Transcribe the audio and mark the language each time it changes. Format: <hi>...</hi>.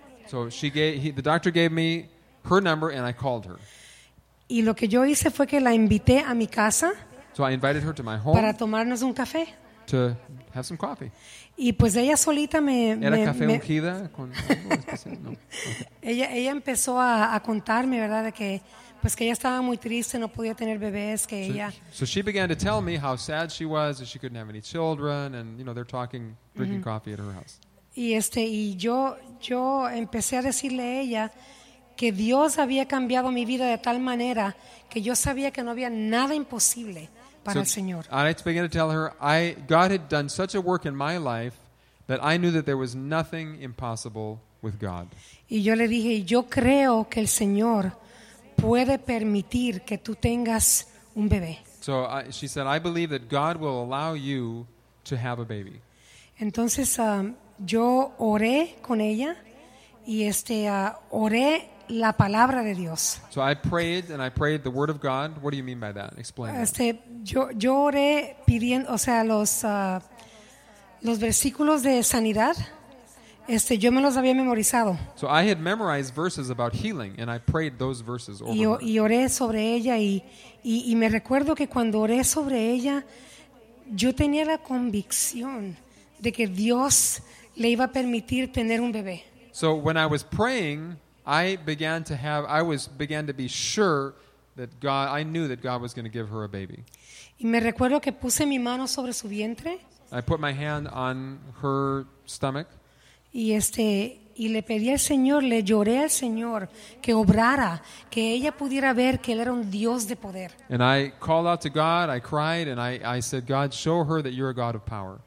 <en>So the doctor gave me her number and I called her.</en> <es>Y lo que yo hice fue que la invité a mi casa.</es> <en>So I invited her to my home.</en> <es>Para tomarnos un café.</es> <en>To have some coffee.</en> <es>Y pues ella solita me era café ungida con no.</es> <en>Okay.</en> <es>Ella empezó a contarme, ¿verdad?, de que pues que ella estaba muy triste, no podía tener bebés, que so, ella.</es> <en>So she began to tell me how sad she was that she couldn't have any children, and you know, they're talking drinking coffee at her house.</en> <es>Y yo empecé a decirle a ella que Dios había cambiado mi vida de tal manera que yo sabía que no había nada imposible.</es> <en>So, and I began to tell her, God had done such a work in my life that I knew that there was nothing impossible with God.</en> <es>Y yo le dije, yo creo que el Señor puede permitir que tú tengas un bebé.</es> <en>So she said, I believe that God will allow you to have a baby.</en> <es>Entonces yo oré con ella y oré la palabra de Dios.</es> <en>So I prayed and I prayed the word of God. What do you mean by that? Explain.</en> <es>Yo oré pidiendo, o sea, los versículos de sanidad. Yo me los había memorizado.</es> <en>So I had memorized verses about healing and I prayed those verses over.</en> <es>Y oré sobre ella y me recuerdo que cuando oré sobre ella yo tenía la convicción de que Dios le iba a permitir tener un bebé.</es> <en>So when I was praying, I began to be sure that God, I knew that God was going to give her a baby.</en> <es>Y me recuerdo que puse mi mano sobre su vientre.</es> <en>I put my hand on her stomach.</en> <es>Y le pedí al Señor, le lloré al Señor que obrara, que ella pudiera ver que él era un Dios de poder.</es> <en>And I called out to God, I cried, and I said, God, show her that you're a God of power.</en>